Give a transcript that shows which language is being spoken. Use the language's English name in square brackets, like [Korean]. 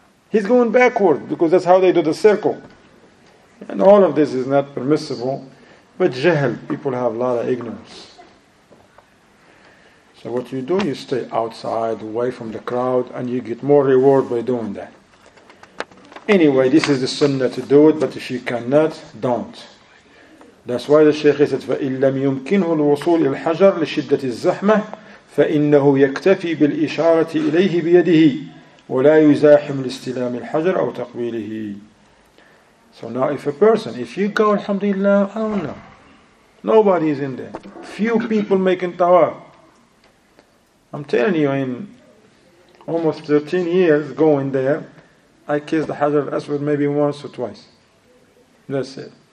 [English] He's going backward because that's how they do the circle. And all of this is not permissible. But jahl, people have a lot of ignorance. So what you do, you stay outside, away from the crowd, and you get more reward by doing that. Anyway, this is the sunnah to do it, but if you cannot, don't. That's why the Shaykh said, [Arabic] فَإِنْ لَمْ يُمْكِنْهُ الْوَصُولِ الْحَجَرِ لِشِدَّةِ الزَّحْمَةِ فَإِنَّهُ يَكْتَفِي بِالْإِشَارَةِ إِلَيْهِ بِيَدِهِ وَلَا يُزَاحِمُ لِاسْتِلَامِ الْحَجَرِ أَوْ تَقْبِيلِهِ. [English] So now if a person, if you go, alhamdulillah, I don't know. Nobody's in there. Few people making tawaf. I'm telling you, in almost 13 years going there, I kissed the Hajar al-Aswad maybe once or twice. That's it.